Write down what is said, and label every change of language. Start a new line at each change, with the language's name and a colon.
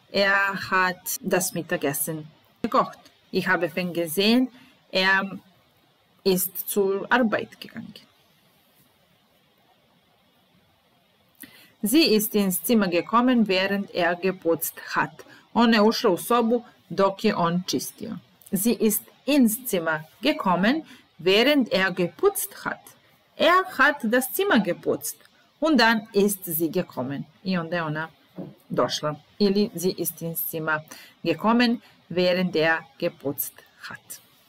German: Er hat das Mittagessen gekocht. Ich habe ihn gesehen, er ist zur Arbeit gegangen. Sie ist ins Zimmer gekommen, während er geputzt hat.
Serbian: Ona je ušla u sobu dok je on čistio.
German: Sie ist ins Zimmer gekommen, während er geputzt hat. Er hat das Zimmer geputzt. Und dann ist sie gekommen. I onda je ona došla. Ili sie ist ins Zimmer gekommen, während er geputzt hat.